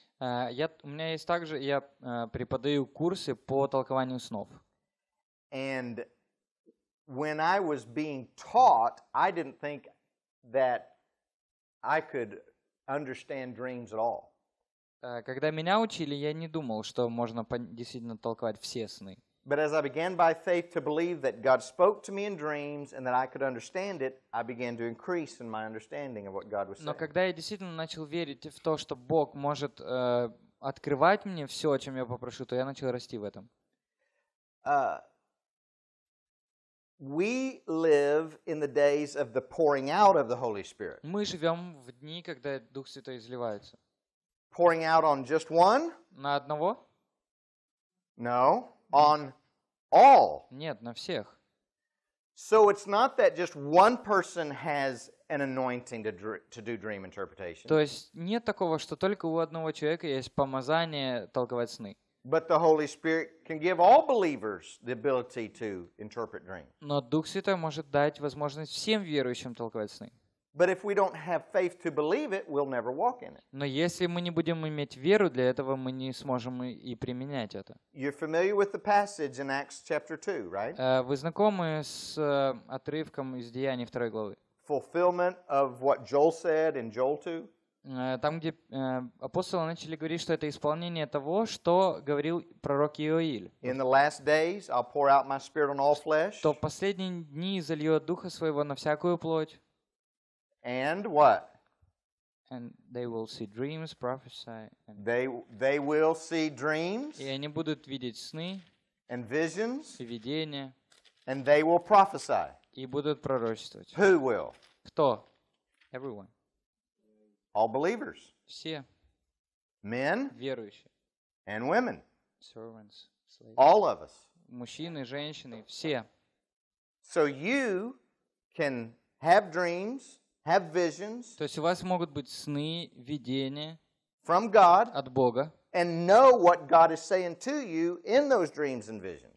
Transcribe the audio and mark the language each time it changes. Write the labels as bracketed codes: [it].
[ru] У меня есть также, я преподаю курсы по толкованию снов. [en] And when I was being taught, I didn't think that I could understand dreams at all. [ru] Когда меня учили, я не думал, что можно действительно толковать все сны. [en] But as I began by faith to believe that God spoke to me in dreams and that I could understand it, I began to increase in my understanding of what God was saying. [ru] Но когда я действительно начал верить в то, что Бог может открывать мне все, о чем я попрошу, то я начал расти в этом. [en] We live in the days of the pouring out of the Holy Spirit. [ru] Мы живём в дни, когда Дух Святой изливается. [en] Pouring out on just one? [ru] На одного? [en] No, on all. [ru] Нет, на всех. [en] So it's not that just one person has an anointing to do dream interpretation. [ru] То есть нет такого, что только у одного человека есть помазание толковать сны. [en] But the Holy Spirit can give all believers the ability to interpret dreams. [ru] Но Дух Святой может дать возможность всем верующим толковать сны. [en] But if we don't have faith to believe it, we'll never walk in it. [ru] Но если мы не будем иметь веру для этого, мы не сможем и применять это. [en] You're familiar with the passage in Acts chapter 2, right? [ru] Вы знакомы с отрывком из Деяний 2 главы? [en] Fulfillment of what Joel said in Joel 2. [ru] Там, где апостолы начали говорить, что это исполнение того, что говорил пророк Иоиль. Что в последние дни изольет Духа Своего на всякую плоть. [en] And what? And they will see dreams, prophesy. They will see dreams. [ru] И они будут видеть сны. [en] And visions. [ru] И видения. [en] And they will prophesy. [ru] И будут пророчествовать. [en] Who will? [ru] Кто? [en] Everyone. All believers. [ru] Все. [en] Men. [ru] Верующие. [en] And women. Servants. Slaves. All of us. [ru] Мужчины, женщины, все. [en] So you can have dreams, have visions. [ru] То есть у вас могут быть сны, видения. [en] From God. [ru] От Бога. [en] And know what God is saying to you in those dreams and visions.